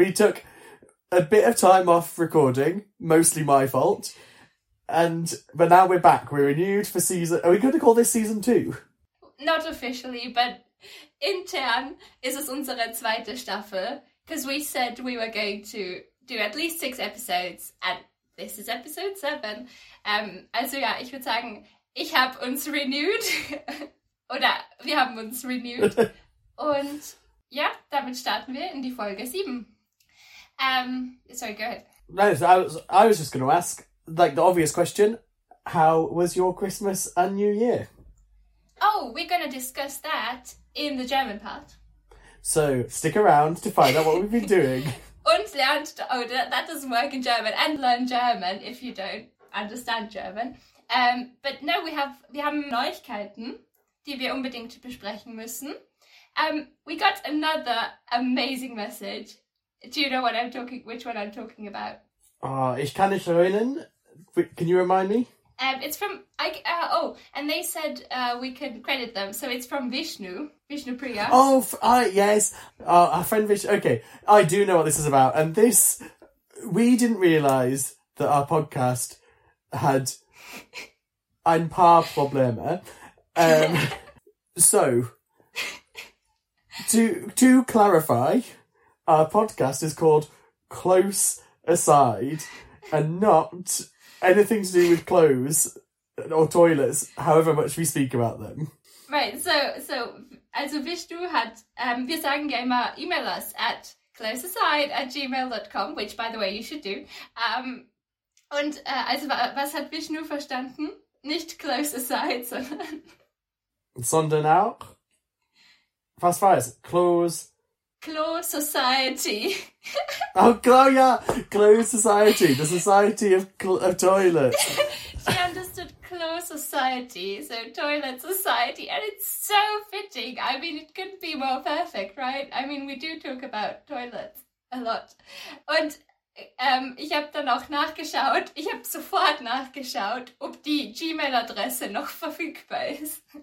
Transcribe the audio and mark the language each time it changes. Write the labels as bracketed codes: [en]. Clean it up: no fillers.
[en] We took a bit of time off recording, mostly my fault, but now we're back. We're renewed for season... Are we going to call this season two? Not officially, but [de] intern ist es unsere zweite Staffel, [en] because we said we were going to do at least 6 episodes, and this is episode 7. [de] Also ja, ich würde sagen, ich habe uns renewed, oder wir haben uns renewed, und ja, damit starten wir in die Folge 7. [en] Sorry, go ahead. No, I was just going to ask, like, the obvious question, how was your Christmas and New Year? Oh, we're going to discuss that in the German part. So, stick around to find out what we've been doing. [de] Und lernt, [en] oh, that doesn't work in German, and learn German if you don't understand German. But no, [de] wir haben Neuigkeiten, die wir unbedingt besprechen müssen. [en] We got another amazing message. Do you know what I'm talking? Which one I'm talking about? [de] Ich kann nicht erinnern. [en] Can you remind me? It's from and they said we can credit them. So it's from Vishnu Priya. Yes, our friend Vishnu. Okay, I do know what this is about. And this, we didn't realize that our podcast had [de] ein paar Probleme. [en] So to clarify. Our podcast is called Close Aside and not anything to do with clothes or toilets, however much we speak about them. Right, [de] also Vishnu hat, wir sagen ja immer, [en] email us at closeaside@gmail.com, which by the way you should do. [de] Was hat Vishnu verstanden? Nicht Close Aside, sondern auch? Was war es? [en] Claw Society. Oh, yeah. Claw Society. The Society of Toilets. She understood Claw Society, so Toilet Society. And it's so fitting. I mean, it couldn't be more perfect, right? I mean, we do talk about toilets a lot. [de] And ich habe dann auch nachgeschaut. Ich habe sofort nachgeschaut, ob die Gmail-Adresse noch verfügbar ist.